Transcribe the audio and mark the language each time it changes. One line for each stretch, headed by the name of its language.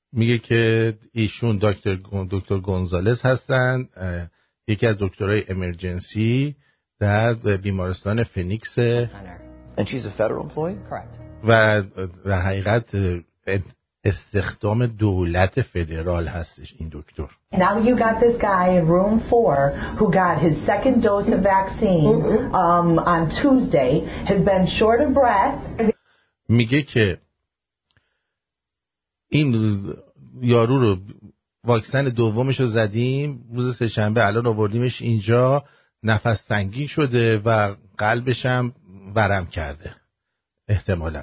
Persian: میگه که ایشون دکتر گونزالس هستن یکی از دکترهای امرجنسی در بیمارستان فنیکس
English: And she's a federal employee? Correct.
Persian: و در حقیقت استخدام دولت فدرال هستش این دکتر.
English: Now you got this guy in room 4 who got his second dose of vaccine on Tuesday has been short of breath.
Persian: میگه که این یارو رو واکسن دومش رو زدیم روز سه‌شنبه الان آوردیمش اینجا نفس سنگین شده و قلبش هم ورم کرده احتمالاً.